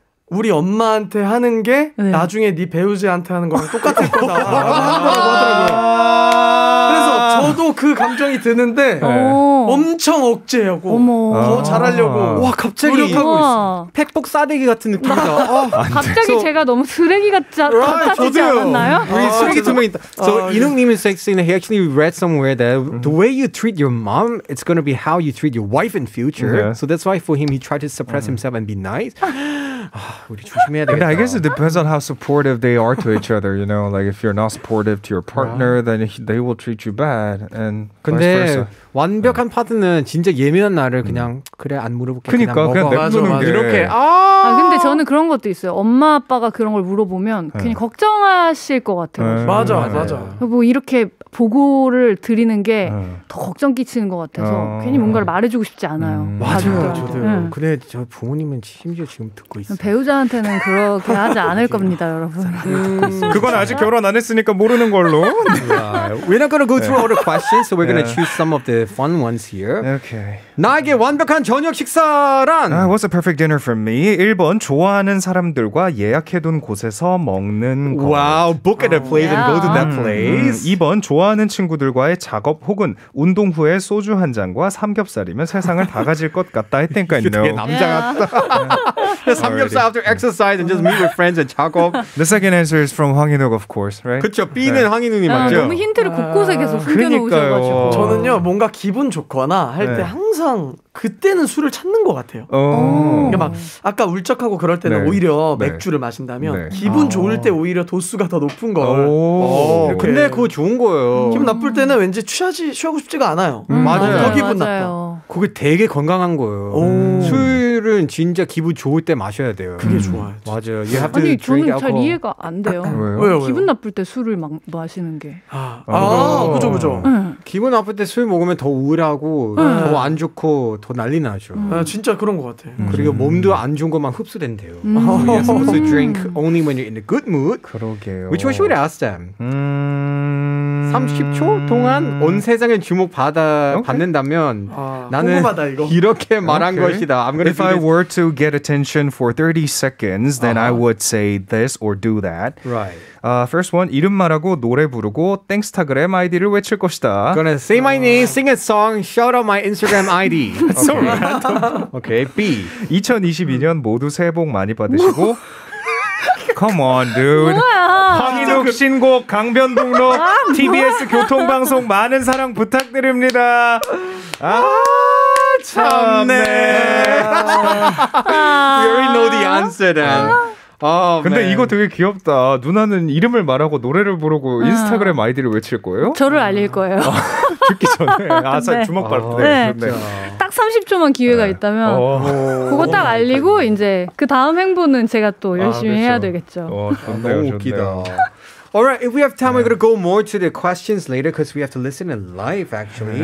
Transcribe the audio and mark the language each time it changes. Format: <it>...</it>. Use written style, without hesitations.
<ko>우리 엄마한테 하는 게 네. 나중에 네 배우자한테 하는 거랑 똑같을 거다. 그래서 저도 그 감정이 드는데 네. 엄청 억제하고 어머. 더 잘하려고 와 갑자기 노력하고 있어. 팩폭 싸대기 같은 느낌이다. 아, 갑자기 제가 너무 쓰레기 같지 않았나요? 우리 쓰레기 두 명 있다.</ko> <en>So</en> <ko>이능님이 sexy인데</ko> <en>he actually read somewhere that the way you treat your mom it's gonna be how you treat your wife in future. Yeah. So that's why for him he tried to suppress himself and be nice. 아, I guess it depends on how supportive they are to each other. You know, like if you're not supportive to your partner, then they will treat you bad. And</en> <ko>근데 완벽한 파트는 진짜 예민한 나를 그냥 그래 안 물어볼게 그러니까, 그냥 먹어 그냥 맞아, 맞아. 이렇게. 아, 근데 저는 그런 것도 있어요. 엄마 아빠가 그런 걸 물어보면 그냥 걱정하실 것 같아요. 맞아, 맞아. 뭐 이렇게 보고를 드리는 게 더 걱정 끼치는 것 같아서 괜히 뭔가를 말해주고 싶지 않아요. 맞아요, 저도. 근데 저 부모님은 심지어 지금 듣고 있어요. 배우자한테는 그렇게 하지 않을 겁니다, 여러분. 그건 아직 결혼 안 했으니까 모르는 걸로.</ko> <en>Yeah. We're not gonna go through all the questions, so we're gonna choose some of the fun ones here. Okay.</en> <ko>나에게 완벽한 저녁 식사란?</ko> <en>What's a perfect dinner for me?</en> <ko>1번 좋아하는 사람들과 예약해둔 곳에서 먹는 거.</ko> <en>Wow, book at a place and go to that place.</en> <ko>2번 좋아하는 친구들과의 작업 혹은 운동 후에 소주 한 잔과 삼겹살이면 세상을 다 가질 것 같다.</ko> <en>I think I know.</en> <ko>이게 남자 같다.</ko> <en>Samgyeopsal after exercise and just meet with friends and 작업. The second answer is from Hwang In-wook, of course, right?</en> <ko>그쵸, B는 Hwang In-wook이 맞죠? 너무 힌트를 곳곳에 계속 숨겨놓으셔가지고. 저는요, 뭔가 기분 좋거나 할 때 항상 그때는 술을 찾는 것 같아요. 그러니까 막 아까 울적하고 그럴 때는 오히려 맥주를 마신다면 기분 좋을 때 오히려 도수가 더 높은 걸. 근데 그거 좋은 거예요. 기분 나쁠 때는 왠지 취하고 싶지가 않아요. 맞아요. 더 기분 맞아요. 나빠. 그게 되게 건강한 거예요. 술은 진짜 기분 좋을 때 마셔야 돼요. 그게 좋아요. 맞아요. 아니 저는 잘 이해가 안 돼요. 왜요? 왜요? 기분 나쁠 때 술을 막 마시는 게. 그죠 그죠. 기분 나쁠 때 술 먹으면 더 우울하고 더 안 좋고 더 난리 나죠. 진짜 그런 것 같아. 그리고 몸도 안 좋은 것만 흡수된대요.</ko> <en>You're supposed to drink only when you're in a good mood.</en> <ko>그러게요.</ko> <en>Which one should we ask them?</en> <ko>30초 동안 온 세상에 주목받는다면 나는 궁금하다, 이렇게 말한 것이다.</ko> <en>I'm gonna If I were to get attention for 30 seconds, then I would say this or do that. Right.</en> <ko>First one, 이름 말하고 노래 부르고 땡스타그램 아이디를 외칠 것이다.</ko> <en>Gonna say my name, sing a song, shout out my Instagram ID. That's so random. Okay, B.</en> <ko>2022년 모두 새해 복 많이 받으시고</ko> <en>Come on, dude.</en> <ko>황인욱 신곡 강변북로 TBS 교통방송 많은 사랑 부탁드립니다. 아, 참네.</ko> <en>We already know the answer then.</en> <ko>아, 근데 맨. 이거 되게 귀엽다. 누나는 이름을 말하고 노래를 부르고 인스타그램 아이디를 외칠 거예요? 저를 알릴 거예요. 죽기 전에. 아, 네. 주먹 발로. 네. 네. 딱 30초만 기회가 있다면 그거 딱 알리고 이제 그 다음 행보는 제가 또 열심히 해야 되겠죠. 좋네요, 너무 웃기다.</ko> <en>Alright, if we have time, we're gonna go more to the questions later because we have to listen in live, actually.</en>